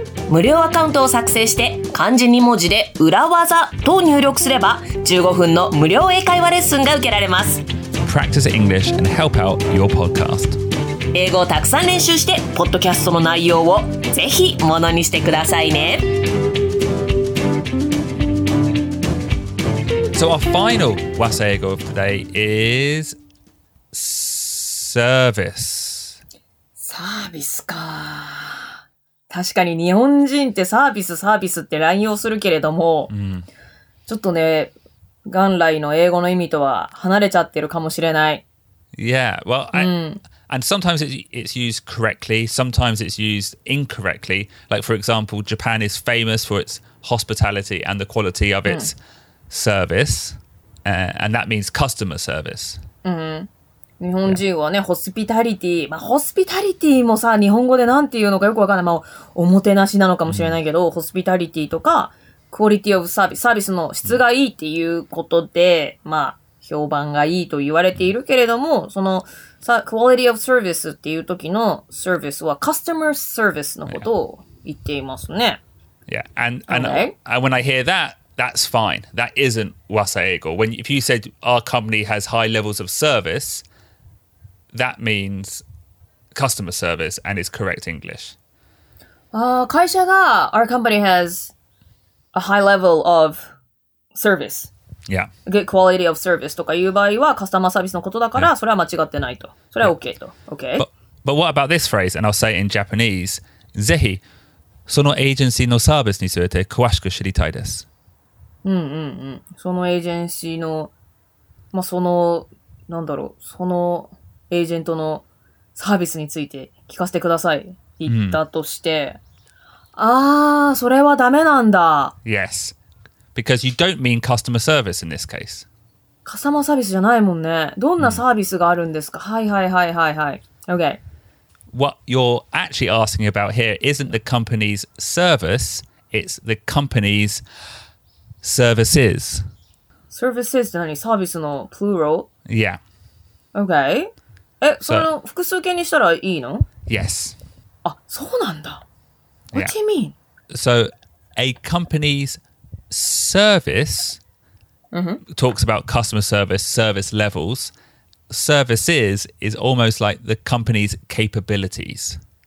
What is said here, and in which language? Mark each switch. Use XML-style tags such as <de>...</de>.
<ja>無料アカウントを作成して漢字2文字で裏技と入力すれば15分の無料英会話レッスンが受けられます。</ja> <en>Practice English and help out your podcast。</en> <ja>英語をたくさん練習してポッドキャストの内容をぜひものにしてくださいね。</ja> <en>So our final waseigo of today is service.</en> <ja>Service か。確かに日本人ってサービスって乱用するけれども、ちょっとね、元来の英語の意味とは離れちゃってるかもしれない。</ja> <en>Yeah, well, and sometimes it's used correctly, sometimes it's used incorrectly. Like for example, Japan is famous for its hospitality and the quality of its service, and that means customer service.</en> <ja>日本人はね、ホスピタリティ、まあホスピタリティもさ、日本語でなんていうのかよくわからない、まあおもてなしなのかもしれないけど、ホスピタリティとかクオリティオブサービス、サービスの質がいいっていうことで、まあ評判がいいと言われているけれども、そのさ、クオリティオブサービスっていう時のサービスはカスタマーサービスのことを言っていますね。</ja> <en>Yeah, and when I hear that. That's fine. That isn't waseigo. If you said our company has high levels of service, that means customer service and is correct English.</en> <ja>会社が</ja> <en>our company has a high level of service. Yeah.</en> <ja>Good quality of service とかいう場合はカスタマーサービスのことだから、yeah. それは間違ってないと。それは OK と。Okay?</ja> <en>But what about this phrase? And I'll say it in Japanese.</en> <ja>ぜひ、そのエージェンシーのサービスについて詳しく知りたいです。うんうんうん。そのエージェンシーの、まあ、その、なんだろう、そのエージェントのサービスについて聞かせてください。言ったとして、mm. ああ、それはダメなんだ。</ja> <en>Yes. Because you don't mean customer service in this case.</en> <ja>カスタマーサービスじゃないもんね。どんなサービスがあるんですか？はいはいはいはいはい。</ja> <en>Okay. What you're actually asking about here isn't the company's service, it's the company's services.</en> <ja>Services って何？サービスの plural?</ja> <en>Yeah. Okay.</en> <ja>え、その複数形にしたらいいの？</ja> <en>Yes.</en> <ja>あ、そうなんだ。</ja> <en>What do you mean? So, a company'sService、 mm-hmm. talks about customer service, service levels. Services is almost like the company's capabilities.</en>